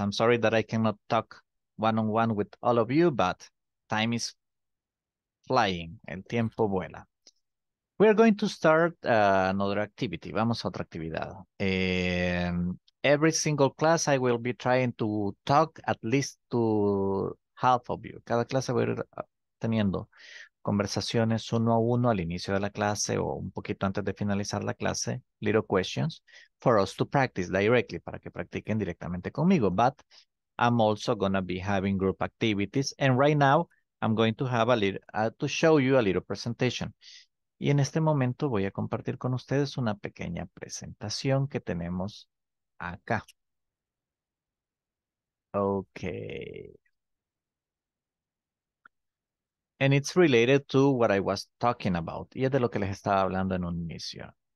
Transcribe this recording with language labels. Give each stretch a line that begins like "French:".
English: I'm sorry that I cannot talk one-on-one with all of you, but time is flying.
Spanish: El tiempo vuela.
English: We are going to start another activity.
Spanish: Vamos a otra actividad.
English: And every single class, I will be trying to talk at least to half of you.
Spanish: Cada clase voy a ir teniendo conversaciones uno a uno al inicio de la clase o un poquito antes de finalizar la clase,
English: little questions for us to practice directly,
Spanish: para que practiquen directamente conmigo.
English: But I'm also going to be having group activities. And right now, I'm going to have a little, to show you a little presentation.
Spanish: Y en este momento voy a compartir con ustedes una pequeña presentación que tenemos acá.
English: Okay. And it's related to what I was talking about.
Spanish: Y es de lo que les estaba hablando en un inicio.